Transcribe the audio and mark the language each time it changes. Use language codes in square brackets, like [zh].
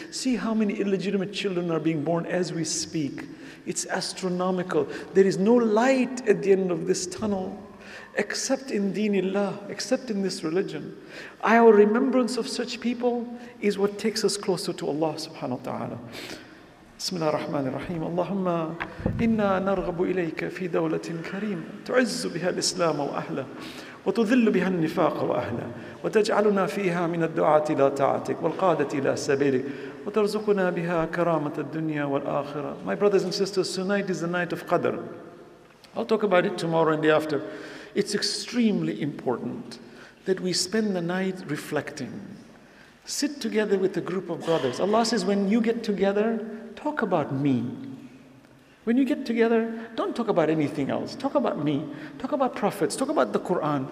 [en] See how many illegitimate children are being born as we speak. It's astronomical. There is no light at the end of this tunnel, except in Deenillah, except in this religion. Our remembrance of such people is what takes us closer to Allah subhanahu wa ta'ala. [ar] بسم الله الرحمن الرحيم اللهم إنا نرغب إليك في دولة كريمة تعز بها الإسلام وأهله وتذل بها النفاق وأهله وتجعلنا فيها من الدعاة إلى طاعتك والقادة إلى سبيلك وترزقنا بها كرامة الدنيا والآخرة. [en] My brothers and sisters, tonight is the night of Qadr. I'll talk about it tomorrow and the after. It's extremely important that we spend the night reflecting. Sit together with a group of brothers. Allah says, when you get together, talk about me. When you get together, don't talk about anything else. Talk about me. Talk about prophets. Talk about the Quran.